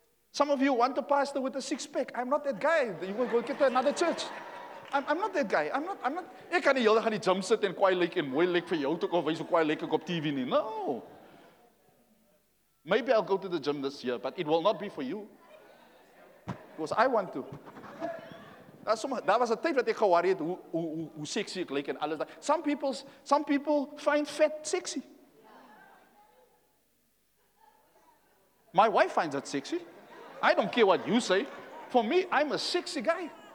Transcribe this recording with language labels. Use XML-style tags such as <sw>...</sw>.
<en>Some of you want a pastor with a six-pack. I'm not that guy. You will go get to another church. I'm not that guy. I'm not.</en> <af>Ek kan nie heel dag in die gym sit en kwaai lyk en mooi lyk vir jou toe kom wys hoe kwaai lyk ek op TV nie.</af> <en>No. Maybe I'll go to the gym this year, but it will not be for you. Because I want to.</en> <af>Daar was 'n tyd wat ek gewaar het hoe sexy ek lyk en alles.</af> <en>Some people find fat sexy. My wife finds that sexy. I don't care what you say. For me, I'm a sexy guy.</en>